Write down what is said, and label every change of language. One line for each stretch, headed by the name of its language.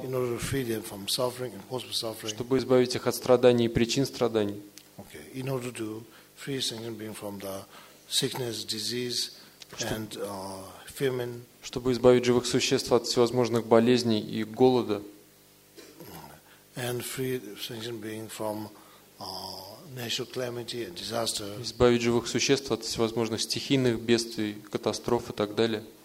English: In order to free them from suffering and cause of suffering.
Russian: Чтобы избавить их от страданий и причин страданий.
English: Okay. In order to free sentient beings from the sickness, disease,
Russian: чтобы избавить живых существ от всевозможных болезней и голода.
English: And free sentient beings from natural calamity and disaster.
Russian: Избавить живых существ от всевозможных стихийных бедствий, катастроф и так далее.